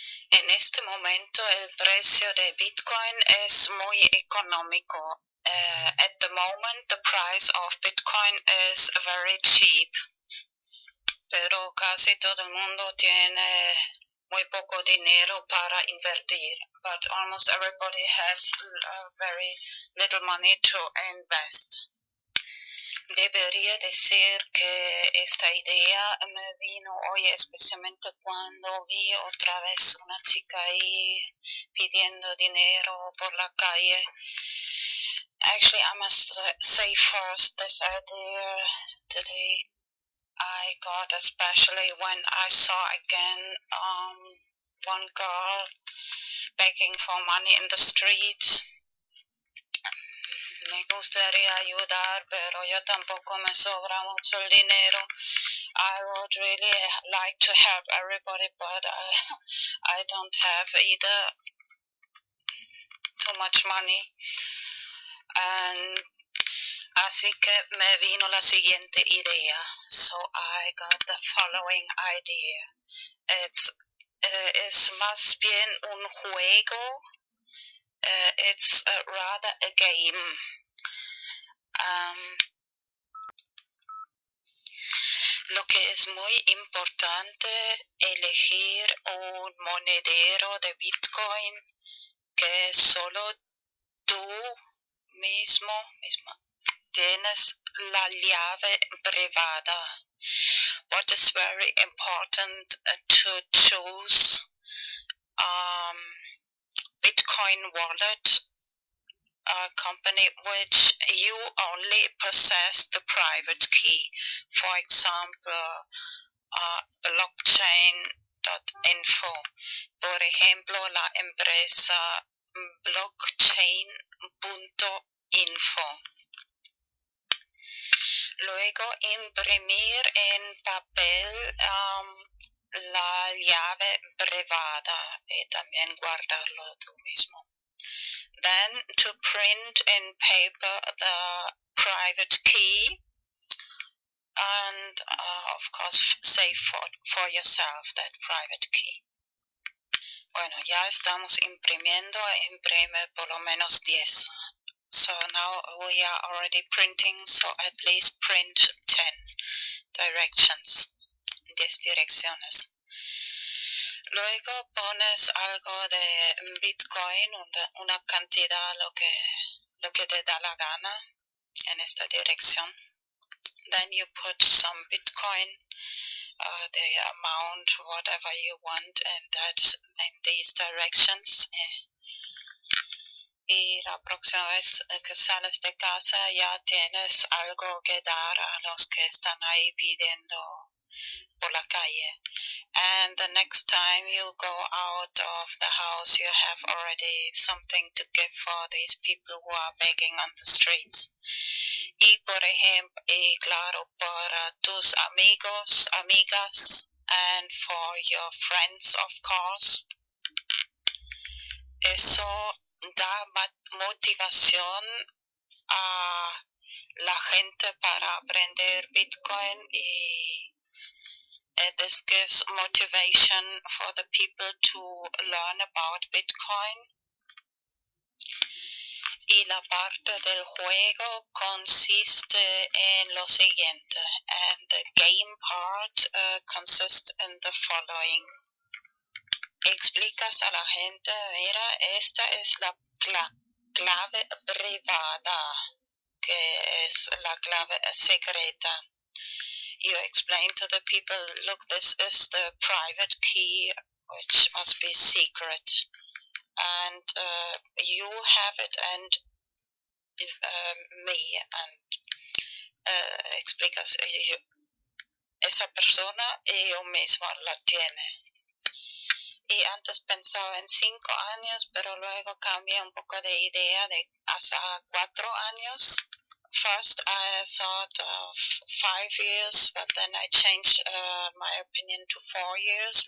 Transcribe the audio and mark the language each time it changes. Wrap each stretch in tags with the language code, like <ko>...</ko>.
<es>En este momento el precio de Bitcoin es muy económico.</es> <en>At the moment the price of Bitcoin is very cheap.</en> <es>Pero casi todo el mundo tiene muy poco dinero para invertir.</es> <en>But almost everybody has very little money to invest.</en> <es>Debería decir que esta idea me vino hoy especialmente cuando vi otra vez una chica ahí pidiendo dinero por la calle.</es> <en>Actually, I must say first this idea today I got especially when I saw again one girl begging for money in the streets.</en> <es>Me gustaría ayudar, pero yo tampoco me sobra mucho el dinero.</es> <en>I would really like to help everybody, but I don't have either too much money.</en> <es>And así que me vino la siguiente idea.</es> <en>So I got the following idea. It's</en> <es>más bien un juego.</es> <en>It's rather a game.</en> <es>Lo que es muy importante elegir un monedero de Bitcoin que solo tú mismo tienes la llave privada.</es> <en>What is very important to choose Bitcoin wallet, a company which you only possess the private key, for example, blockchain.info.</en> <es>Por ejemplo, la empresa blockchain.info. Luego, imprimir en papel la llave privada y también guardarlo tú mismo.</es> <en>Then to print in paper the private key and of course save for yourself that private key.</en> <es>Bueno, ya estamos imprimiendo, imprime por lo menos 10.</es> <en>So now we are already printing, so at least print 10 directions,</en> <es>10 direcciones. Luego pones algo de Bitcoin, una cantidad, lo que te da la gana en esta dirección.</es> <en>Then you put some Bitcoin, the amount, whatever you want, and that in these directions.</en> <es>Y la próxima vez que sales de casa ya tienes algo que dar a los que están ahí pidiendo por la calle.</es> <en>And the next time you go out of the house, you have already something to give for these people who are begging on the streets.</en> <es>Y por ejemplo, y claro, para tus amigos, amigas,</es> <en>and for your friends, of course.</en> <es>Eso da motivación a la gente para aprender Bitcoin y</es> <en>this gives motivation for the people to learn about Bitcoin.</en> <es>Y la parte del juego consiste en lo siguiente.</es> <en>And the game part consists in the following.</en> <es>Explicas a la gente, mira, esta es la clave privada, que es la clave secreta.</es> <en>You explain to the people, look, this is the private key, which must be secret. And you have it and me.</en> <es>And explicas, yo, esa persona y yo mismo la tiene. Y antes pensaba en 5 años, pero luego cambié un poco de idea de hasta 4 años.</es> <en>First, I thought of 5 years, but then I changed my opinion to 4 years.</en>